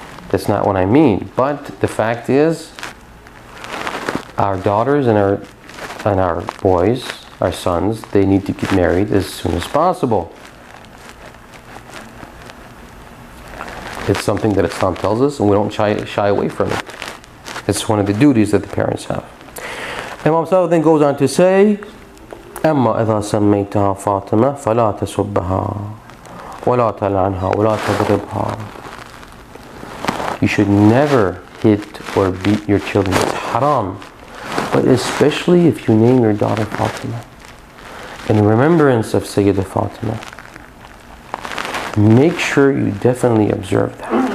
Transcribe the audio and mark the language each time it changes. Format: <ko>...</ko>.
<en>That's not what I mean. But the fact is, our daughters and our boys, our sons, they need to get married as soon as possible. It's something that Islam tells us, and we don't shy away from it. It's one of the duties that the parents have. Imam Sadiq then goes on to say,</en> <ar>أَمَّا إِذَا سَمَّيْتَهَا فَاطِمَةً فَلَا تَسُبَّهَا وَلَا تَلْعَنْهَا وَلَا تَغْرِبْهَا.</ar> <en>You should never hit or beat your children. It's haram. But especially if you name your daughter Fatima, in remembrance of Sayyidah Fatima, make sure you definitely observe that.</en>